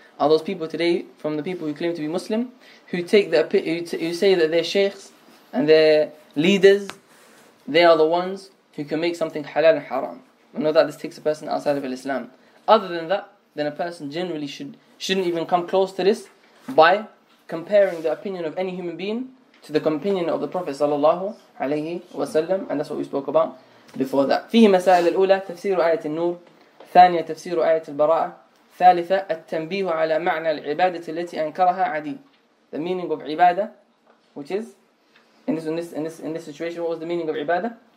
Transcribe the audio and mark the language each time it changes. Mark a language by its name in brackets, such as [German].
[English] Are those people today, from the people who claim to be Muslim, who say that their sheikhs and their leaders, they are the ones who can make something halal and haram. We know that this takes a person outside of Islam. Other than that, then a person generally shouldn't even come close to this by comparing the opinion of any human being to the opinion of the Prophet sallallahu alayhi wa sallam. And that's what we spoke about before that. [Arabic] فيه مسائل الأولى تفسير آية النور ثانية تفسير آية البراءة ثالثة التنبيه على معنى العبادة التي أنكرها عدي. [English] The meaning of عبادة, which is in this situation, what was the meaning of عبادة?